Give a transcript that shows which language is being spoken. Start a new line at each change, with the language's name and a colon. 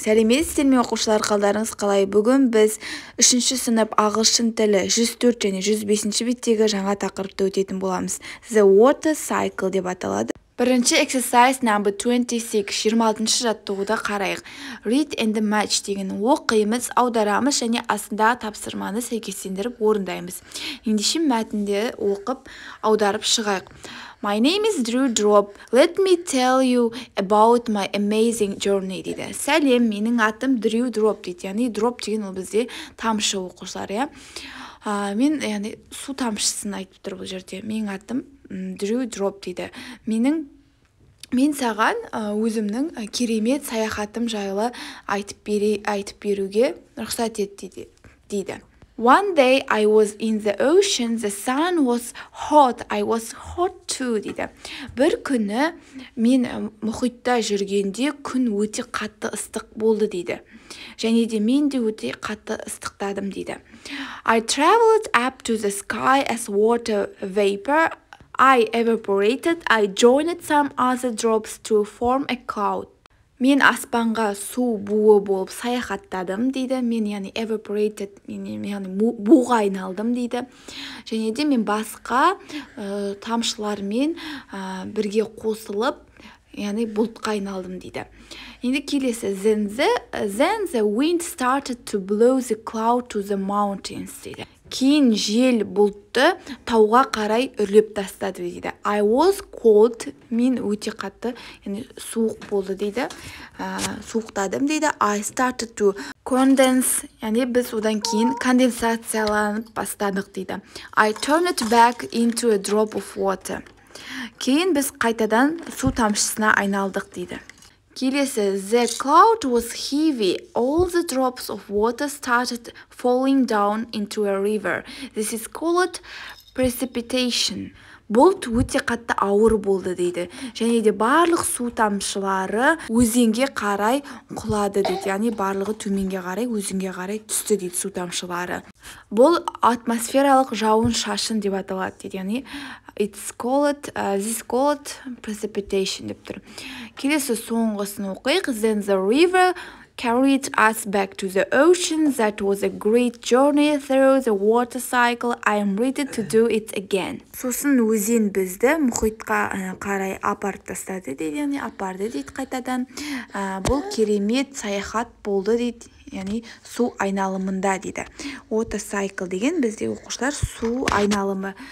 Kazakh: Сәлеметсіздер ме оқушылар, қалдарыңыз қалай? Бүгін біз 3-ші сынып ағылшын тілі 104 және 105-ші беттегі жаңа тақырыпты өтетін боламыз.
English: The water cycle
Kazakh: деп аталады. Бірінші exercise number 26, 26-ші жаттығуды қарайық.
English: Read and match
Kazakh: деген оқиымыз, аударамыз және астындағы тапсырманы сәйкестендіріп орындаймыз. Ендеше мәтінде оқып, аударып шығайық.
English: My name is Drew Drop. Let me tell you about my amazing journey, дейді.
Kazakh: Сәлем, менің атым Drew Drop, дейді. Яғни, Drop деген ол бізде тамшы оқушылар, я. Мен, яғни, су тамшысын айтып тұр бұл жерде. Менің атым Drew Drop, дейді. Мен саған өзімнің керемет саяхатым жайлы айтып беруге рұқсат ет, дейді.
English: One day I was in the ocean, the sun was hot, I was hot too, дейді.
Kazakh: Бір күні мен мұхитта жүргенде күн өте қатты ыстық болды, дейді. Және де мен де өте қатты ыстықтадым, дейді.
English: I traveled up to the sky as water vapor, I evaporated, I joined some other drops to form a cloud.
Kazakh: Мен аспанға су буы болып саяхаттадым, дейді. Мен, яғни, evaporated, яғни, буға айналдым, дейді. Және де мен басқа тамшылармен бірге қосылып, яғни, бұлтқа айналдым, дейді. Енді келесі,
English: then the wind started to blow the cloud to the mountains, дейді.
Kazakh: Кейін жел бұлтты тауға қарай үрлеп тастады, дейді.
English: I was cold,
Kazakh: мен өте қатты, яғни, суық болды, дейді. Суықтадым, дейді.
English: I started to condense,
Kazakh: яғни, біз одан кейін конденсацияланып бастадық, дейді.
English: I turned back into a drop of water.
Kazakh: Кейін біз қайтадан су тамшысына айналдық, дейді.
English: Келесі, the cloud was heavy. All the drops of water started falling down into a river. This is called precipitation.
Kazakh: Бұлт өте қатты ауыр болды, дейді. Және де барлық су тамшылары өзенге қарай құлады, дейді. Яғни барлығы төменге қарай, өзенге қарай түсті, дейді су тамшылары. Бұл атмосфералық жауын шашын деп аталады, дейді.
English: Яғни, this is called precipitation
Kazakh: деп тұр. Келесі соңғысын оқиық.
English: Then the river carried us back to the ocean. That was a great journey through the water cycle. I am ready to do it again.
Kazakh: Сосын өзен бізді мұхитқа қарай апарып тастады, дейді. Яғни, апарды, дейді қайтадан. Бұл керемет саяхат болды, дейді. Яғни, су айналымында, дейді. Water cycle деген бізде оқушылар су айналымы.